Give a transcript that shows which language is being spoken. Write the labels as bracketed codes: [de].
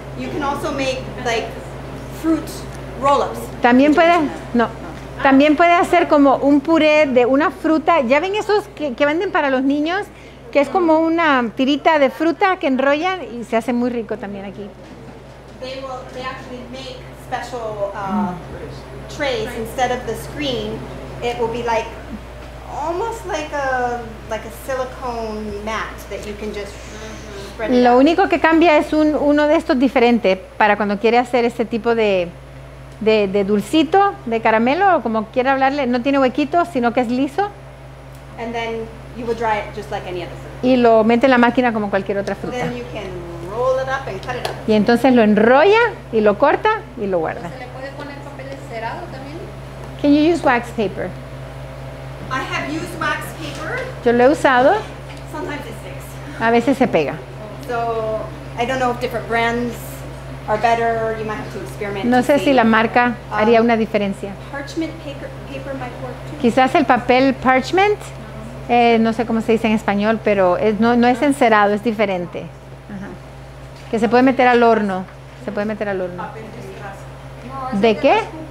[en] You can also make like fruit roll-ups. [es] También puede, no. También puede hacer como un puré de una fruta. ¿Ya ven esos que venden para los niños? Que es como una tirita de fruta que enrollan y se hace muy rico también aquí. [en] They actually make special trays instead of the screen. It will be like almost like a silicone mat that you can just spread. [es] Lo único que cambia es uno de estos diferente para cuando quiere hacer este tipo de dulcito, de caramelo o como quiera hablarle. No tiene huequito, sino que es liso. [en] And then you will dry it just like any other. [es] Y lo mete en la máquina como cualquier otra fruta. [en] Then you can roll it up and cut it up. [es] Y entonces lo enrolla y lo corta y lo guarda. ¿Se le puede poner papel encerado también? [en] Can you use wax paper? I have used wax paper. [es] Yo lo he usado. [en] Sometimes it sticks. [es] A veces se pega. [en] So, I don't know if different brands are better. You might have to experiment. [es] No sé si la marca haría una diferencia. [en] Parchment paper might work too. [es] Quizás el papel parchment. No sé cómo se dice en español, pero no es encerado, es diferente. Ajá. Que se puede meter al horno. Se puede meter al horno. ¿De qué?